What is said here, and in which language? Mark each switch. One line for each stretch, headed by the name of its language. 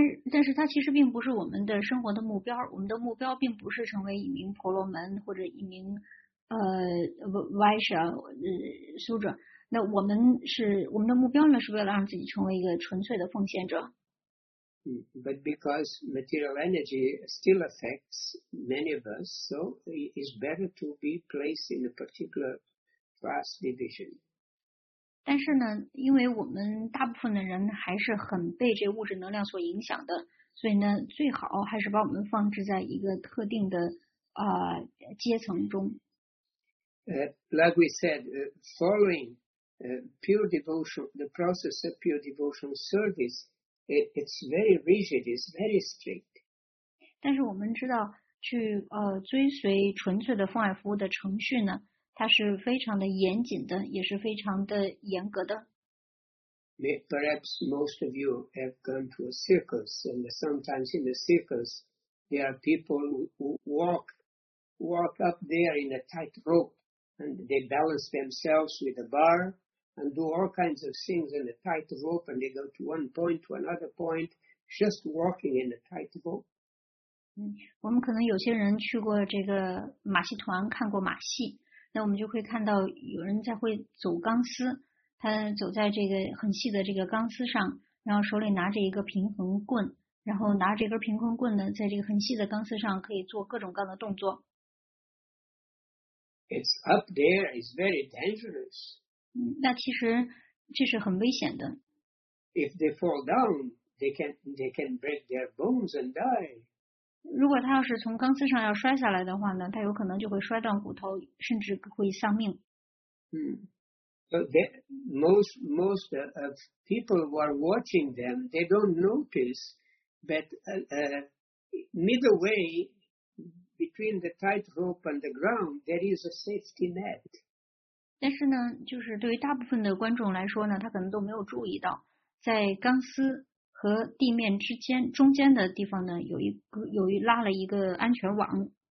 Chinese: 但是它其实并不是我们的生活的目标。我们的目标并不是成为一名婆罗门或者一名Vaishya Shudra。那我们的目标呢，是为了让自己成为一个纯粹的奉献者。
English: But because material energy still affects many of us, so it's better to be placed in a particular class division.
Chinese: 但是呢，因为我们大部分的人还是很被这物质能量所影响的，所以呢，最好还是把我们放置在一个特定的阶层中。
English: Like we said, following pure devotion, the process of pure devotion service. It's very rigid. It's very strict.
Chinese: 但是我们知道，去追随纯粹的奉爱服务的程序呢，它是非常的严谨的，也是非常的严格的。
English: Perhaps most of you have gone to a circus, and sometimes in the circus there are people who walk up there in a tight rope, and they balance themselves with a bar. And do all kinds of things in a tight rope, and they go to one point to another point, just walking in a tight rope.
Chinese: 我们可能有些人去过这个马戏团，看过马戏，那我们就会看到有人在会走钢丝，他走在这个很细的这个钢丝上，然后手里拿着一个平衡棍，然后拿着这根平衡棍呢，在这个很细的钢丝上可以做各种各样的动作。
English: It's up there. It's very dangerous.
Chinese: 那其实这是很危险的。
English: If they fall down, they can break their bones and die.
Chinese: 如果他要是从钢丝上要摔下来的话呢，他有可能就会摔断骨头，甚至会丧命。
English: 嗯 ，But they, most of people who are watching them, they don't notice that midway between the tightrope and the ground, there is a safety net.
Chinese: 但是呢，就是对于大部分的观众来说呢，他可能都没有注意到，在钢丝和地面之间中间的地方呢，有一拉了一个安全网。